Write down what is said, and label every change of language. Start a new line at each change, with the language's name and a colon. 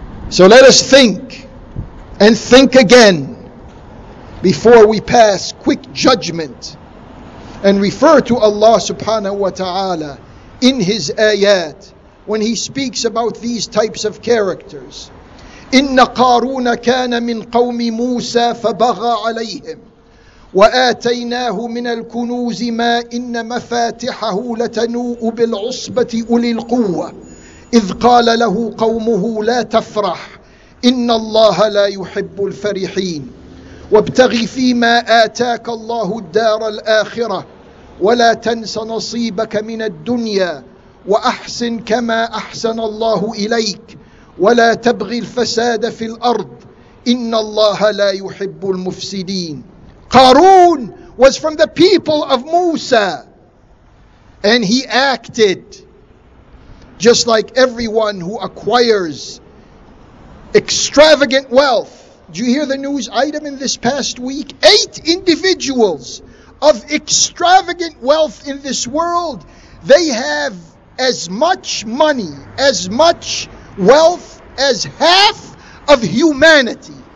English: So let us think and think again before we pass quick judgment and refer to Allah subhanahu wa ta'ala in his ayat when he speaks about these types of characters.
Arabic: Inna Qaruna kana min qawmi Musa fabagha alayhim. وآتيناه من الكنوز ما إن مفاتحه لتنوء بالعصبة أولي القوة إذ قال له قومه لا تفرح إن الله لا يحب الفرحين وابتغ فيما آتاك الله الدار الآخرة ولا تنس نصيبك من الدنيا وأحسن كما أحسن الله إليك ولا تبغ الفساد في الأرض إن الله لا يحب المفسدين.
English: Qarun was from the people of Musa, and he acted just like everyone who acquires extravagant wealth. Do you hear the news item in this past week? 8 individuals of extravagant wealth in this world, they have as much money, as much wealth as half of humanity.